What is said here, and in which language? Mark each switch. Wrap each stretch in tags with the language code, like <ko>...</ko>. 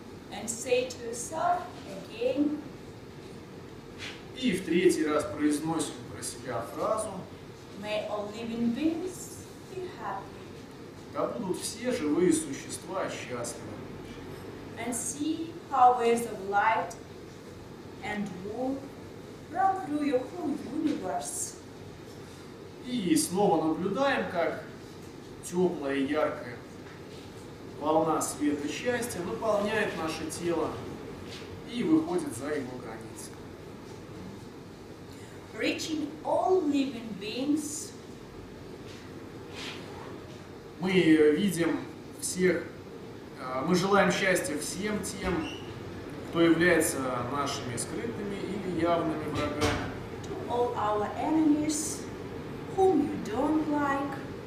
<en>And say to yourself again.</en> <ru>И в третий раз произносим про себя фразу.</ru> <en>May all living beings be happy.</en> <ru>Да будут все живые существа счастливы.</ru> <en>And see how waves of light and warmth run through your whole universe.</en> <ru>И снова наблюдаем, как теплое, яркое. Волна света счастья наполняет наше тело и выходит за его границы.</ru> <en>Reaching all living beings.</en> <ru>Мы видим всех, мы желаем счастья всем тем, кто является нашими скрытыми или явными врагами.</ru> <en>To all our enemies, whom you don't like.</en>